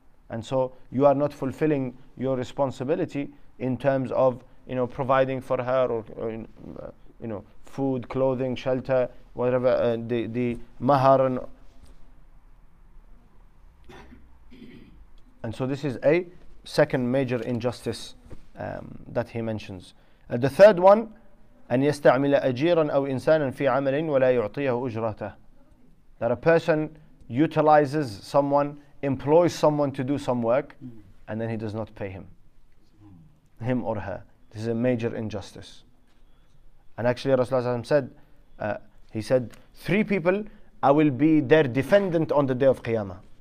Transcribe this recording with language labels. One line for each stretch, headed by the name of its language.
English: And so you are not fulfilling your responsibility in terms of, you know, providing for her or food, clothing, shelter, whatever, the mahar. And so this is a second major injustice that he mentions. The third one,
Arabic: أن يستعمل أجيرا أو إنسانا في عمل ولا يعطيه أجرته.
English: That a person utilizes someone, employs someone to do some work, and then he does not pay him or her. This is a major injustice. And actually Rasulullah said, he said, three people, I will be their defendant on the day of Qiyamah.